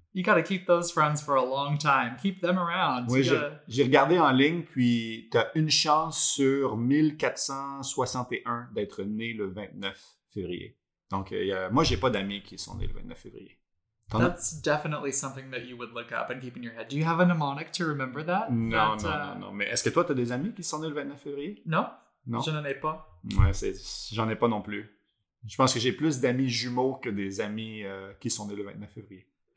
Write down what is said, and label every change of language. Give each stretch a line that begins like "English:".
English: You gotta keep those friends for a long time. Keep them around.
French: Oui, j'ai regardé en ligne, puis t'as une chance sur 1461 d'être né le 29 février. Donc, moi, j'ai pas d'amis qui sont nés le 29 février.
English: That's definitely something that you would look up and keep in your head. Do you have a mnemonic to remember that?
French: Non. Mais est-ce que toi, tu as des amis qui sont nés le 29 février? Non. Je n'en ai pas. Ouais, j'en ai pas non plus. Je pense que j'ai plus d'amis jumeaux que des amis qui sont nés le 29 février.